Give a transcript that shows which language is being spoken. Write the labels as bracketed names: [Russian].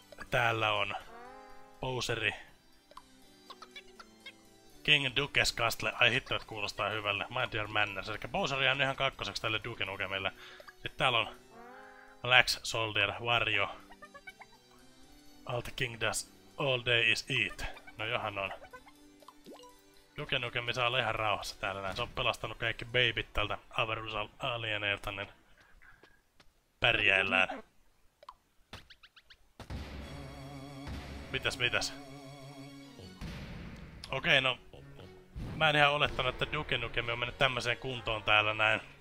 [Finnish] Täällä on Bowseri. King Duke's Castle. Ai hitto, että kuulostaa hyvälle. [English] My Dear Manners. [Finnish] Eli Bowser jäänyt ihan kakkoseksi tälle Duke Nukemille. Sitten täällä on Lax Soldier Wario. [English] All the King does all day is eat. [Finnish] No johan on. Duke Nukem saa olla ihan rauhassa täällä näin. Se on pelastanut kaikki babyt tältä avaruusalienilta, niin pärjäillään. Mitäs? Okei, no mä en ihan olettanut, että Duke Nukem on mennyt tämmöseen kuntoon täällä näin.